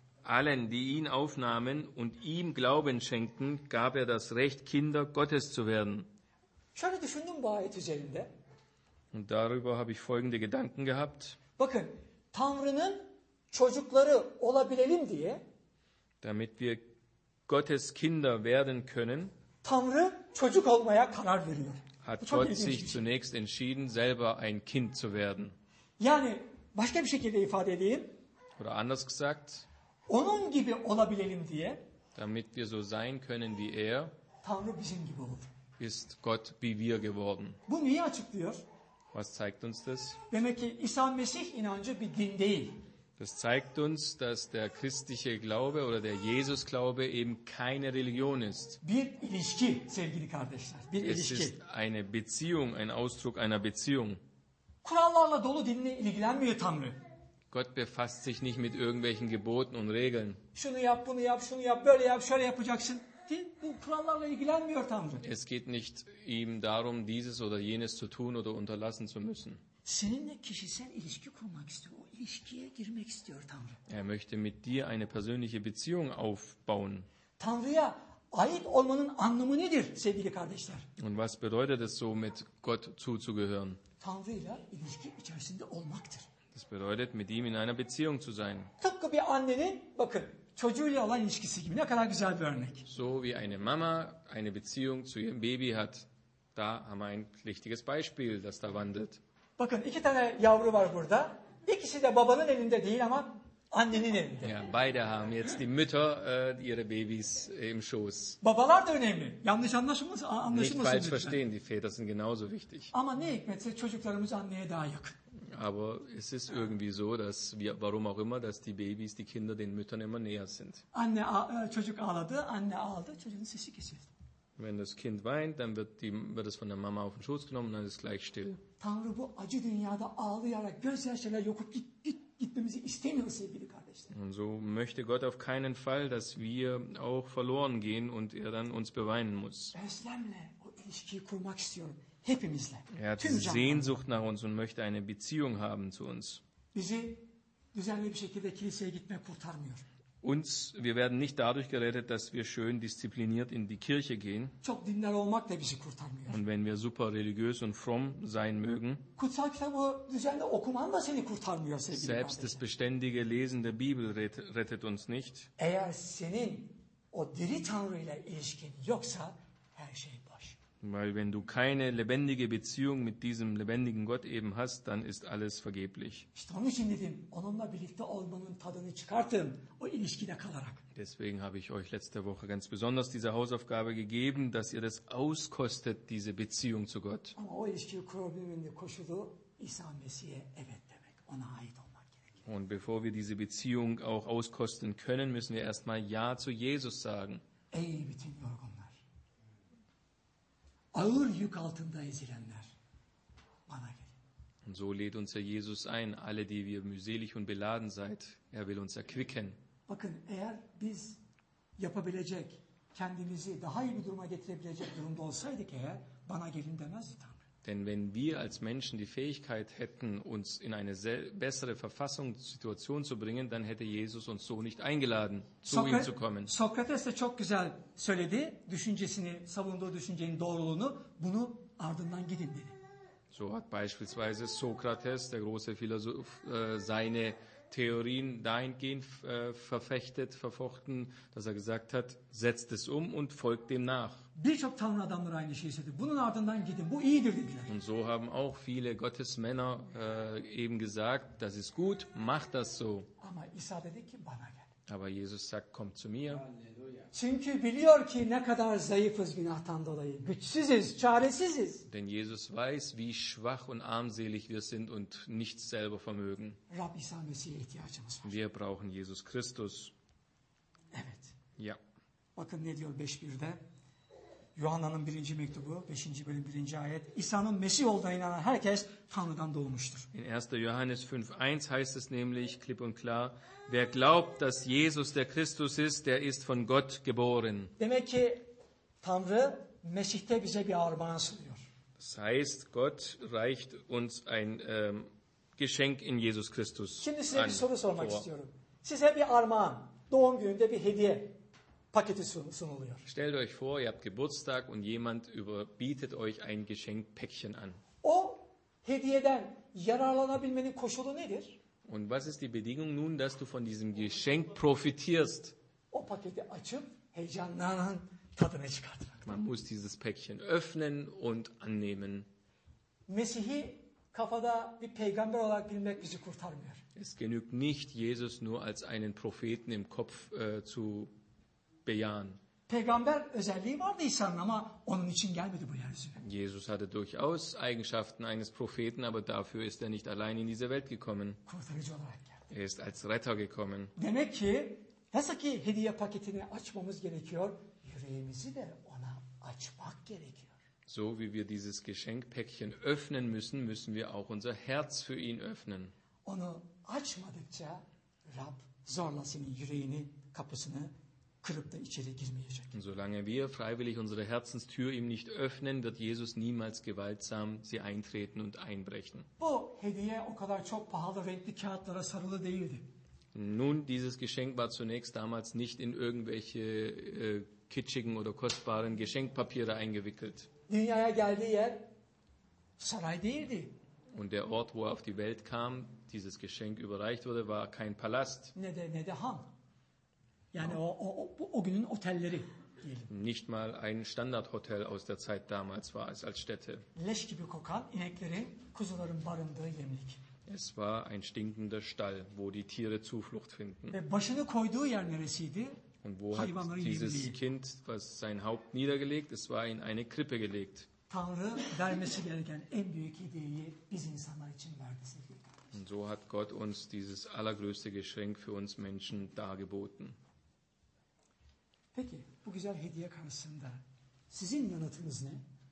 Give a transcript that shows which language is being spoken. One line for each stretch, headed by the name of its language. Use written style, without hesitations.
German: Allen, die ihn aufnahmen und ihm Glauben schenkten, gab er das Recht, Kinder Gottes zu werden.
Turkish: Şöyle düşündüm bu ayet üzerinde.
German: Und darüber habe ich folgende Gedanken gehabt.
Turkish: Bakın, Tanrı'nın çocukları olabilelim diye.
German: Damit wir Gottes Kinder werden können.
Turkish: Tanrı çocuk olmaya karar veriyor.
German: Hat Gott sich zunächst entschieden, selber ein Kind zu werden.
Turkish: Yani başka bir şekilde ifade edeyim.
German: Oder anders gesagt.
Turkish: Onun gibi olabilelim diye.
German: Damit wir so sein können wie er.
Turkish: Tanrı bizim gibi oldu.
German: Ist Gott wie wir geworden.
Turkish: Bu niye açıklıyor?
German: Was zeigt uns das?
Turkish: Demek ki İsa Mesih inancı bir din değil.
German: Das zeigt uns, dass der christliche Glaube oder der Jesus-Glaube eben keine Religion ist.
Turkish: Bir ilişki, sevgili kardeşler. Bir
German: es
Turkish: ilişki.
German: Ist eine Beziehung, ein Ausdruck einer Beziehung.
Turkish: Kurallarla dolu dinle ilgilenmiyor Tanrı.
German: Gott befasst sich nicht mit irgendwelchen Geboten und Regeln.
Turkish: Şunu yap, bunu yap, şunu yap, böyle yap, şöyle yapacaksın. Bu kurallarla ilgilenmiyor Tanrı.
German: Es geht nicht ihm darum, dieses oder jenes zu tun oder unterlassen zu müssen.
Turkish: Seninle kişisel ilişki kurmak istiyor. O ilişkiye girmek istiyor Tanrı.
German: Er möchte mit dir eine persönliche Beziehung aufbauen.
Turkish: Tanrı'ya ait olmanın anlamı nedir sevgili kardeşler?
German: Und was bedeutet es so, mit Gott zuzugehören?
Turkish: Tanrı'yla ilişki içerisinde olmaktır.
German: Das bedeutet, mit ihm in einer Beziehung zu sein.
Turkish: Tıpkı bir annenin, bakın, çocuğuyla olan ilişkisi gibi. Ne kadar güzel bir örnek.
German: So wie eine Mama eine Beziehung zu ihrem Baby hat. Da haben wir ein richtiges Beispiel, das da wandelt.
Turkish: Bakın, iki tane yavru var burada. İkisi de babanın elinde değil ama annenin elinde.
German: Ja, beide haben jetzt die Mütter ihre Babys im Schoß.
Turkish: Babalar da önemli. Yanlış anlaşılmasın, anlaşılmasın.
German: Nicht falsch verstehen, die Väter sind genauso wichtig.
Turkish: Ama ne hikmetse çocuklarımız anneye daha yakın.
German: Aber es ist irgendwie so, dass wir, warum auch immer, dass die Babys, die Kinder den Müttern immer näher sind.
Turkish: Anne, çocuk ağladı, anne ağladı, çocuğun sesi kesildi.
German: Wenn das Kind weint, dann wird es von der Mama auf den Schoß genommen und dann ist es gleich still.
Turkish: Tanrı bu acı dünyada ağlayarak gözyaşlarıyla yokup gitmemizi istemiyor sevgili kardeşler.
German: Und so möchte Gott auf keinen Fall, dass wir auch verloren gehen und er dann uns beweinen muss.
Turkish: Özlemle o ilişkiyi kurmak istiyorum. Hepimizle.
German: Er hat Sehnsucht nach uns und möchte eine Beziehung haben zu uns.
Turkish: Bizi düzenli bir şekilde kiliseye gitmek kurtarmıyor.
German: Uns, wir werden nicht dadurch gerettet, dass wir schön diszipliniert in die Kirche gehen.
Turkish: Çok dinler olmak da bizi kurtarmıyor.
German: Und wenn wir super religiös und fromm sein mögen.
Turkish: Kutsal kitabı düzenli okuman da seni kurtarmıyor sevgili.
German: Selbst das beständige Lesen der Bibel rettet uns nicht.
Turkish: Eğer senin o diri Tanrı'yla ilişkin yoksa her şey.
German: Weil wenn du keine lebendige Beziehung mit diesem lebendigen Gott eben hast, dann ist alles vergeblich.
Turkish: İşte onun için dedim, onunla birlikte olmanın tadını çıkartın, o ilişkide kalarak.
German: Deswegen habe ich euch letzte Woche ganz besonders diese Hausaufgabe gegeben, dass ihr das auskostet, diese Beziehung zu Gott.
Turkish: Ama o ilişkiyi kurabilmenin koşulu İsa Mesih'e evet demek, ona ait olmak gerekiyor.
German: Und bevor wir diese Beziehung auch auskosten können, müssen wir erstmal Ja zu Jesus sagen.
Turkish: Ey bütün yorgun. Ağır yük altında ezilenler bana gelin.
German: So lädt uns Herr Jesus ein, alle die wir mühselig und beladen seid. Er will uns erquicken.
Turkish: Bakın, eğer biz yapabilecek, kendimizi daha iyi bir duruma getirebilecek durumda olsaydık eğer, bana gelin demezdi Tanrı.
German: Denn wenn wir als Menschen die Fähigkeit hätten, uns in eine bessere Verfassung, Situation zu bringen, dann hätte Jesus uns so nicht eingeladen, zu ihm zu kommen.
Turkish: Sokrates de çok güzel söyledi, düşüncesini, savunduğu düşüncenin doğruluğunu, bunu ardından gidin dedi.
German: So hat beispielsweise Sokrates, der große Philosoph, seine Theorien dahingehend verfechtet, verfochten, dass er gesagt hat, setzt es um und folgt dem nach.
Turkish: Birçok Tanrı adamları aynı şeyi söyledi. Bunun ardından gidin, bu iyidir dediler.
German: Und so haben auch viele Gottesmänner eben gesagt, das ist gut, mach das so.
Turkish: Ama İsa dedi ki, bana gel.
German: Aber Jesus sagt, komm zu mir.
Turkish: Çünkü biliyor ki ne kadar zayıfız günahtan dolayı. Güçsüziz, çaresiziz.
German: Denn Jesus weiß, wie schwach und armselig wir sind und nichts selber vermögen.
Turkish: Rab İsa Mesih'e ihtiyacımız var.
German: Wir brauchen Jesus Christus.
Turkish: Evet.
German: Ja.
Turkish: Bakın ne diyor 5.1'de? Yuhanna'nın 1. mektubu, 5. bölüm 1. ayet. İsa'nın Mesih olduğuna inanan herkes Tanrı'dan doğmuştur.
German: In 1. Johannes 5.1 heißt es nämlich klipp und klar, wer glaubt, dass Jesus der Christus ist, der ist von Gott geboren.
Turkish: Demek ki Tanrı Mesih'te bize bir armağan sunuyor.
German: Das heißt, Gott reicht uns ein Geschenk in Jesus Christus.
Turkish: Şimdi size bir soru sormak istiyorum. Size bir armağan, doğum gününde bir hediye. Paketi sunuluyor.
German: Stellt euch vor, ihr habt Geburtstag und jemand überbietet euch ein Geschenkpäckchen an.
Turkish: O hediyeden yararlanabilmenin koşulu nedir?
German: Und was ist die Bedingung nun, dass du von diesem Geschenk profitierst?
Turkish: O paketi açıp heyecanlanan tadını çıkartmak.
German: Man muss dieses Päckchen öffnen und annehmen.
Turkish: Mesih'i kafada bir peygamber olarak bilmek bizi kurtarmıyor.
German: Es genügt nicht, Jesus nur als einen Propheten im Kopf zu beyan.
Turkish: Peygamber özelliği vardı İsa'nın ama onun için gelmedi bu yeryüzüne.
German: Jesus hatte durchaus Eigenschaften eines Propheten, aber dafür ist er nicht allein in diese Welt gekommen.
Turkish: Kurtarıcı olarak geldi.
German: Er ist als Retter gekommen.
Turkish: Demek ki nasıl ki hediye paketini açmamız gerekiyor, yüreğimizi de ona açmak gerekiyor.
German: So wie wir dieses Geschenkpäckchen öffnen müssen, müssen wir auch unser Herz für ihn öffnen.
Turkish: Onu açmadıkça Rab zorla senin yüreğini, kapısını kırıp da içeri girmeyecek.
German: Und solange wir freiwillig unsere Herzenstür ihm nicht öffnen, wird Jesus niemals gewaltsam sie eintreten und einbrechen.
Turkish: Bu hediye o kadar çok pahalı renkli kağıtlara sarılı değildi.
German: Nun, dieses Geschenk war zunächst damals nicht in irgendwelche kitschigen oder kostbaren Geschenkpapiere eingewickelt.
Turkish: Dünyaya geldiği yer saray değildi.
German: Und der Ort, wo er auf die Welt kam, dieses Geschenk überreicht wurde, war kein Palast.
Turkish: Ne de han. Yani no. o günün otelleri diyelim.
German: Nicht mal ein Standardhotel aus der Zeit damals war es als Stätte.
Turkish: Leş gibi kokan inekleri, kuzuların barındığı yemlik.
German: Es war ein stinkender Stall, wo die Tiere Zuflucht finden.
Turkish: Ve başını koyduğu yer neresiydi?
German: Und wo hat dieses Kind, was sein Haupt niedergelegt, es war in eine Krippe gelegt.
Turkish: Tanrı vermesi gereken en büyük hediyeyi biz insanlar için verdi sevgili kardeşim.
German: Und so hat Gott uns dieses allergrößte Geschenk für uns Menschen dargeboten.
Turkish: Peki, bu güzel hediye karşısında sizin yanıtınız ne?